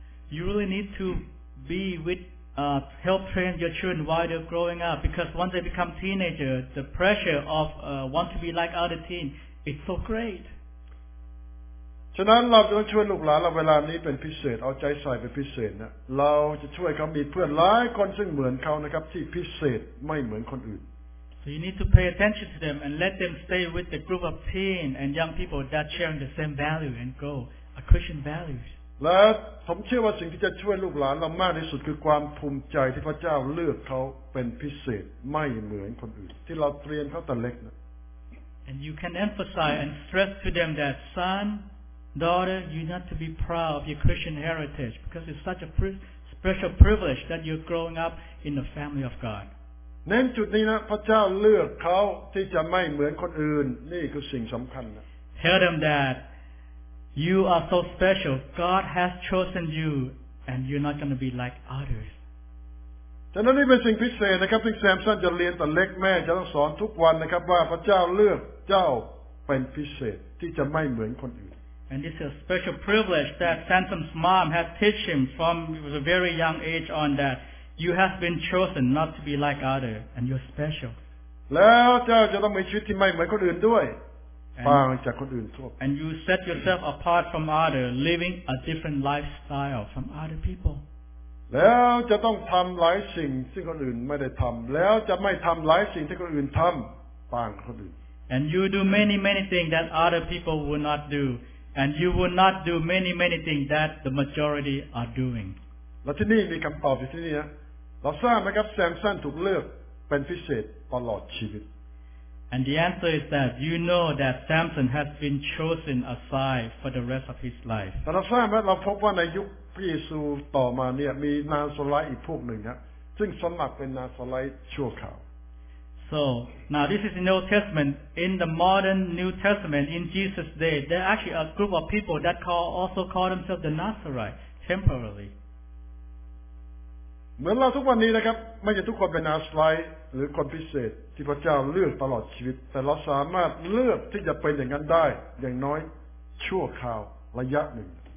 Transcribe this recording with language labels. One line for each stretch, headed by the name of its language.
English: You really need to be with help train your children while they're growing up because once they become teenager, the pressure of want to be like other teen is so great.
Thai: ฉะนั้นเราจะต้องช่วยลูกหลานเราเวลานี้เป็นพิเศษเอาใจใส่เป็นพิเศษนะเราจะช่วยเขามีเพื่อนหลายคนซึ่งเหมือนเขานะครับที่พิเศษไม่เหมือนคนอื่น
English: So you need to pay attention to them and let them stay with the group of teen and young people that sharing the same value and goal a Christian values
Thai: และผมเชื่อว่าสิ่งที่จะช่วยลูกหลานเรามากที่สุดคือความภูมิใจที่พระเจ้าเลือกเขาเป็นพิเศษไม่เหมือนคนอื่นที่เราเตรียมเขาแต่เล็กนะ
English: And you can emphasize and stress to them that sonDaughter, you need to be proud of your Christian heritage because it's such a special privilege that you're growing up in the family of God.
Thai: เน้นจุดนี้นะพระเจ้าเลือกเขาที่จะไม่เหมือนคนอื่นนี่คือสิ่งสำคัญนะ
English: Tell them that you are so special. God has chosen you and you're not going to be like others.
Thai: ฉะนั้นนี่เป็นสิ่งพิเศษนะครับที่แซมสันจะเรียนแต่เล็กแม่จะต้องสอนทุกวันนะครับว่าพระเจ้าเลือกเจ้าเป็นพิเศษที่จะไม่เหมือนคนอื่น
English: And this is a special privilege that Samson's mom has taught him from a very young age on that you have been chosen not to be like others and you're special.
Thai: แล้วเจ้าจะต้องมีชีวิตที่ไม่เหมือนคนอื่นด้วยต่างจากคนอื่นทั่วไป
English: And you set yourself apart from others living a different lifestyle from other people.
Thai: แล้วจะต้องทำหลายสิ่งที่คนอื่นไม่ได้ทำแล้วจะไม่ทำหลายสิ่งที่คนอื่นทำต่างคนอื่น
English: And you do many many things that other people would not doAnd you will not do many, many things that the majority are doing.
Thai: แล้วที่นี่มีคำตอบอยู่ที่นี่นะเราทราบไหมครับแซมสันถูกเลือกเป็นพิเศษตลอดชีวิต
English: And the answer is that you know that Samson has been chosen aside for the rest of his life.
Thai: แต่เราทราบไหมเราพบว่าในยุคพระเยซูต่อมาเนี่ยมีนาซาไรต์อีกพวกหนึ่งนะซึ่งสมัครเป็นนาซาไรต์ชั่วคราว
English: So, now this is in the Old Testament. In the modern New Testament, in Jesus' day, there are actually a group of people that also call themselves the Nazarite, temporarily.
Thai: เหมือนเราทุกวันนี้นะครับไม่ใช่ทุกคนเป็นนาซาไรต์หรือคนพิเศษที่พระเจ้าเลือกตลอดชีวิตแต่เราสามารถเลือกที่จะเป็นอย่างนั้นได้อย่างน้อยชั่วคราวระยะหนึ่ง